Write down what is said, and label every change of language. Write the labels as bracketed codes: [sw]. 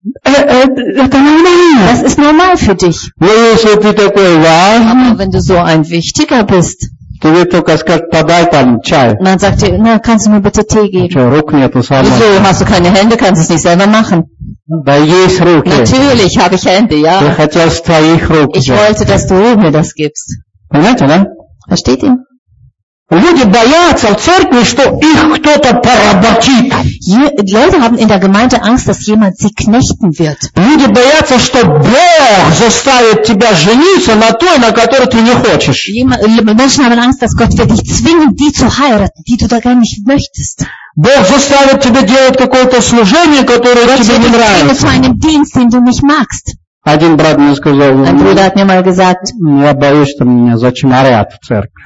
[de] Das ist normal für dich. Aber wenn du so ein Wichtiger bist, man sagt dir, na, kannst du mir bitte Tee geben? Wieso hast du keine Hände, kannst du es nicht selber machen? Natürlich habe ich Hände, ja. Ich wollte, dass du mir das gibst. Versteht ihr? [ru] Люди боятся в церкви, что их кто-то поработит. [de] Leute haben in der Gemeinde Angst, dass jemand sie knechten wird. [ru] Люди боятся, что Бог заставит тебя жениться на той, на которую ты не хочешь. [de] Menschen haben Angst, dass Gott wird dich zwingen, die zu heiraten, die du da gar nicht möchtest. [ru] Бог заставит тебя делать какое-то служение, которое [de] Gott [ru] тебе не нравится. [de] Zu einem Dienst, den du nicht magst. [ru] Один брат мне сказал, [de] ein Bruder hat mir mal gesagt, [ru] я боюсь, что меня зачморят в церкви.